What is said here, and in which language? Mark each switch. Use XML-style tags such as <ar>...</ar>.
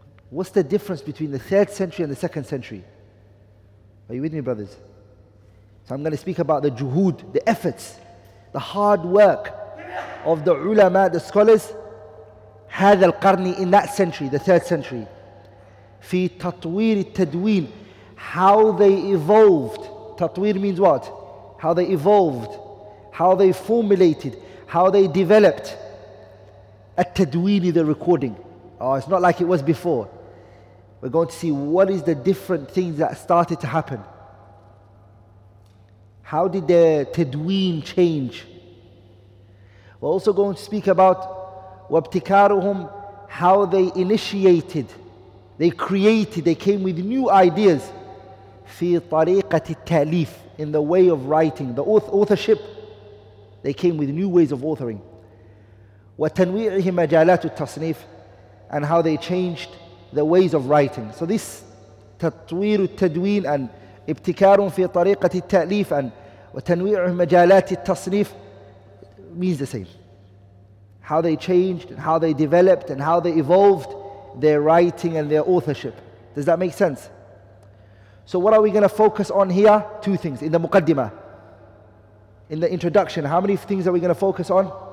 <en>What's the difference between the third century and the second century? Are you with me, brothers? So I'm going to speak about the juhud, the efforts, the hard work of the ulama, the scholars,</en> <ar>هذا القرن,</ar> <en>in that century, the third century.</en> <ar>في تطوير التدوين,</ar> <en>how they evolved. تطوير means what? How they evolved, how they formulated, how they developed. التدوين, the recording. Oh, it's not like it was before. We're going to see what is the different things that started to happen. How did the تدوين change? We're also going to speak about وابتكارهم, how they initiated. They created, they came with new ideas.</en> <ar>في طريقة التأليف,</ar> <en>in the way of writing, the authorship. They came with new ways of authoring.</en> <ar>وتنويعه مجالات التصنيف,</ar> <en>and how they changed the ways of writing. So this</en> <ar>تطوير التدوين</ar> <en>and</en> <ar>ابتكار في طريقة التأليف</ar> <en>and</en> <ar>وتنويعه مجالات التصنيف</ar> <en>means the same. How they changed and how they developed and how they evolved their writing and their authorship. Does that make sense? So what are we going to focus on here? Two things in the muqaddimah. In the introduction, how many things are we going to focus on?</en>